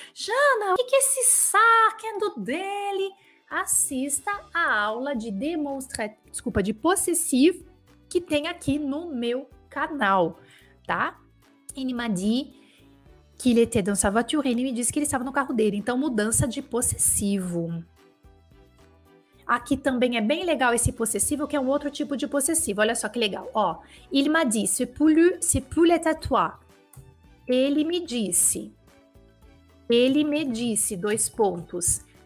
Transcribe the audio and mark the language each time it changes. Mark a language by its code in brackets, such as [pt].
[pt] Jana, o que é esse saquendo dele? Assista a aula de de possessivo que tem aqui no meu canal, tá? Ele me disse que ele [fr] était dans sa voiture, [pt] ele me disse que ele estava no carro dele. Então, mudança de possessivo. Aqui também é bem legal esse possessivo, que é um outro tipo de possessivo. Olha só que legal, ó. [fr] Il m'a dit, c'est pour le tatouage. [pt] Ele me disse. Ele me disse, dois pontos.